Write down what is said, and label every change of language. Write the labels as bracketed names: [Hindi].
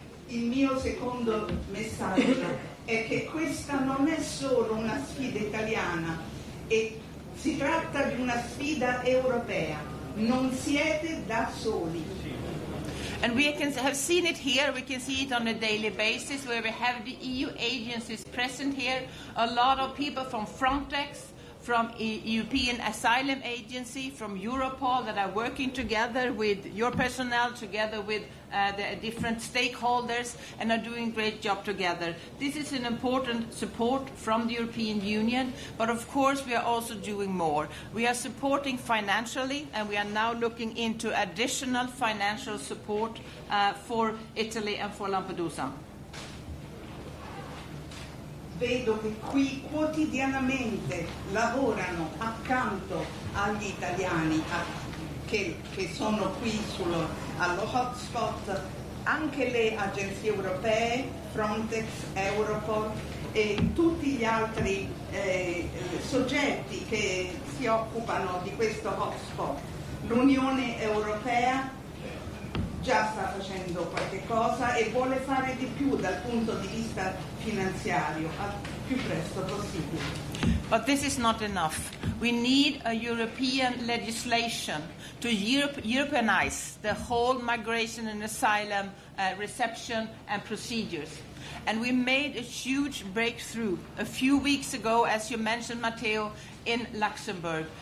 [Italian] Il mio secondo messaggio è che questa non è solo una sfida italiana, e si tratta di una sfida europea. Non siete da soli. [English] And we can have seen it here, we can see it on a daily basis, where we have the EU agencies present here, a lot of people from Frontex, from European Asylum Agency, from Europol, that are working together with your personnel, together with the different stakeholders, and are doing a great job together. This is an important support from the European Union, but of course we are also doing more. We are supporting financially, and we are now looking into additional financial support for Italy and for Lampedusa. [Italian] Vedo che qui quotidianamente lavorano accanto agli italiani che sono qui allo hotspot, anche le agenzie europee, Frontex, Europol e tutti gli altri soggetti che si occupano di questo hotspot. L'Unione Europea già sta facendo qualche cosa e vuole fare di più dal punto di vista finanziario, al più presto possibile. [English] But this is not enough. We need a European legislation to Europeanize the whole migration and asylum reception and procedures. And we made a huge breakthrough a few weeks ago, as you mentioned, Matteo, in Luxembourg.